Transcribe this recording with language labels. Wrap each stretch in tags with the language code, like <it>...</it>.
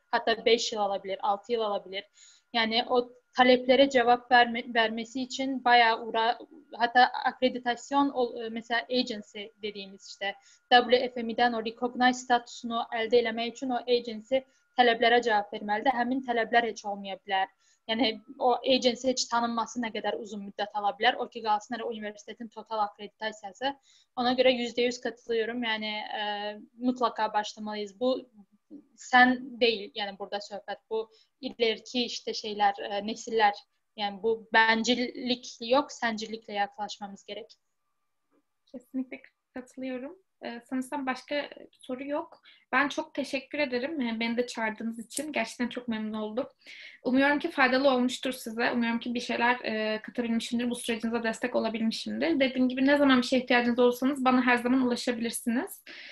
<tr>Hatta 5 yıl alabilir, 6 yıl alabilir. Yani o taleplere cevap vermesi için bayağı hatta akreditasyon, mesela agency dediğimiz işte WFMI'den o recognize statüsünü elde etmek için o agency taleplere cevap vermelidir. Hemen talepler hiç olmayabilir.</tr> <az>Yəni o agency heç tanınması nə qədər uzun müddət ala bilər? O ki qalsın hələ universitetin total akreditasiyası. Ona görə 100%</az> <tr>katılıyorum.</tr> <az>Yəni mütləqa başlamalıyız. Bu sən deyil, yəni burada söhbət. Bu ilerki işte şeylər, nesillər. Yəni bu bəncillik yox, səncilliklə yaxınlaşmamız gərək.</az> <tr>Kesinlikle katılıyorum. Sanırsam başka soru yok. Ben çok teşekkür ederim beni de çağırdığınız için. Gerçekten çok memnun oldum. Umuyorum ki faydalı olmuştur size. Umuyorum ki bir şeyler katabilmişimdir. Bu sürecinize destek olabilmişimdir. Dediğim gibi ne zaman bir şeye ihtiyacınız olursanız bana her zaman ulaşabilirsiniz.</tr>